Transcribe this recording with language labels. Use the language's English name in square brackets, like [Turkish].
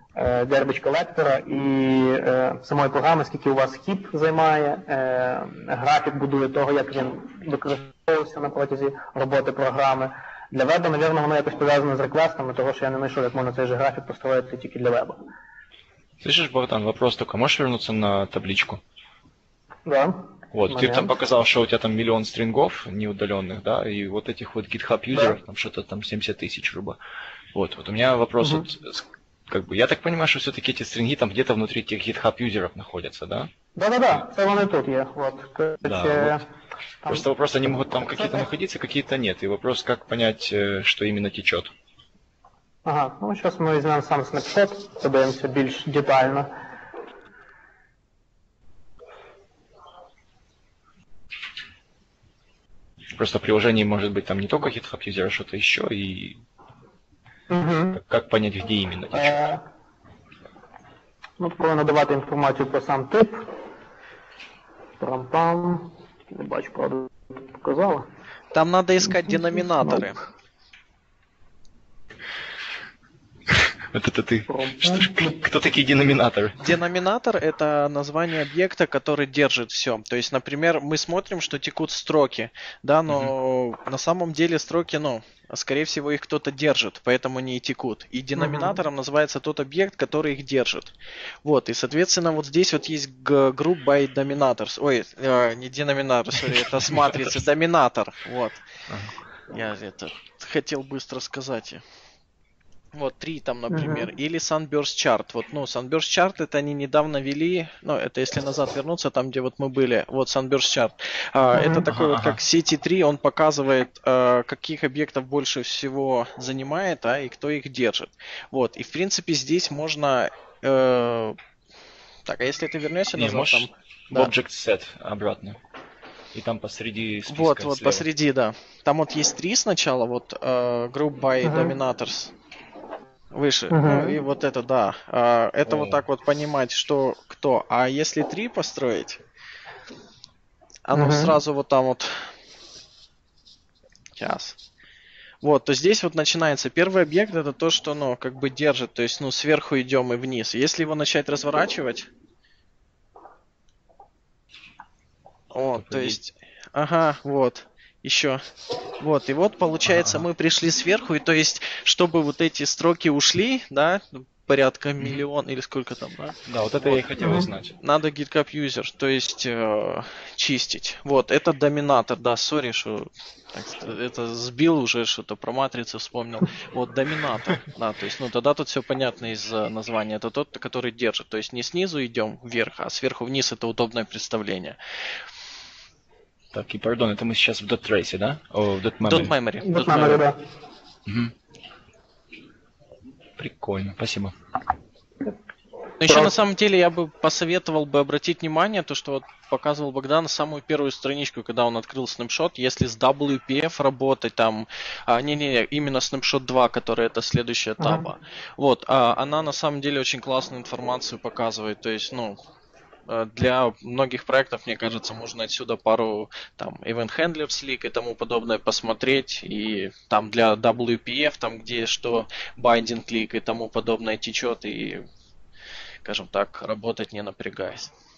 [Ukrainian] garbage collector'а і самої програми, скільки у вас heap займає, графік будує того, як він використовувався на протязі роботи програми. Для веба, мабуть, воно якось пов'язане з реквестами, тому що я не знайшов, як можна цей же графік построїти тільки для веба. [Russian] Слышишь, Богдан, вопрос только, можешь вернуться на табличку? Да. Вот, момент. Ты там показал, что у тебя там миллион стрингов неудаленных, да, и вот этих вот GitHub юзеров, да. Там что-то там 70 тысяч, грубо. Вот, вот у меня вопрос, угу. Вот, как бы, я так понимаю, что все-таки эти стринги там где-то внутри этих GitHub юзеров находятся, да? Да-да-да, это вон и тут есть, вот. Да, вот. Просто там... вопрос, они могут там какие-то находиться, какие-то нет, и вопрос, как понять, что именно течет. [Ukrainian] Ага, ну зараз ми візьмемо сам снапшот, подивимося більш детально. Просто в приложенні може бути там не тільки GitHub юзер, а щось ще, і як зрозуміти, де іменно течет? Ну, спробую надавати інформацію про сам тип. Трам-пам. Не бачу, правда, показала. Там треба іскати деномінатори. [Russian] Вот это ты. Что, кто такие деноминатор? Деноминатор — это название объекта, который держит все. То есть, например, мы смотрим, что текут строки, да, но на самом деле строки, ну, скорее всего, их кто-то держит, поэтому они и текут. И деноминатором называется тот объект, который их держит. Вот, и, соответственно, вот здесь вот есть group by dominators. Ой, не деноминатор, sorry, это с матрицы, доминатор. Вот. Я это хотел быстро сказать. Вот, три там, например. Или Sunburst Chart. Вот, ну, Sunburst Chart, это они недавно ввели, ну, это если назад вернуться, там, где вот мы были, вот Sunburst Chart. Это такой вот, как CT3, он показывает, каких объектов больше всего занимает, а и кто их держит. Вот, и, в принципе, здесь можно... так, а если ты вернешься назад, можешь там... в Object Set обратно. И там посреди списка. Вот, вот, слева. Посреди, да. Там вот есть три сначала, вот, Group by Dominators. Выше. И вот это, да. Это вот так вот понимать, что кто. А если три построить, оно сразу вот там вот... Сейчас. Вот, то здесь вот начинается. Первый объект — это то, что, ну, как бы держит. То есть, ну, сверху идем и вниз. Если его начать разворачивать... Вот, то есть... Ага, вот. Еще. Вот, и вот, получается, мы пришли сверху, и то есть, чтобы вот эти строки ушли, да, порядка миллион или сколько там, да? Да, вот это вот. Я и хотел узнать. Надо GitHub User, то есть, чистить. Вот, это доминатор, да, сори, что это сбил уже, что-то про матрицу вспомнил. Вот, доминатор, да, то есть, ну, тогда тут все понятно из названия. Это тот, который держит, то есть, не снизу идем вверх, а сверху вниз, это удобное представление. Так, и, пардон, это мы сейчас в .trace, да? О, в .memory. .memory, .memory, да. Угу. Прикольно, спасибо. Ну, еще на самом деле я бы посоветовал бы обратить внимание, то, что вот показывал Богдан самую первую страничку, когда он открыл снапшот, если с WPF работать там, именно снапшот 2, который это следующая таба. Вот, она на самом деле очень классную информацию показывает, то есть, ну... Для многих проектов, мне кажется, можно отсюда пару там event handlers leak и тому подобное посмотреть. И там для WPF, там где что, binding leak и тому подобное течет. И, скажем так, работать не напрягаясь.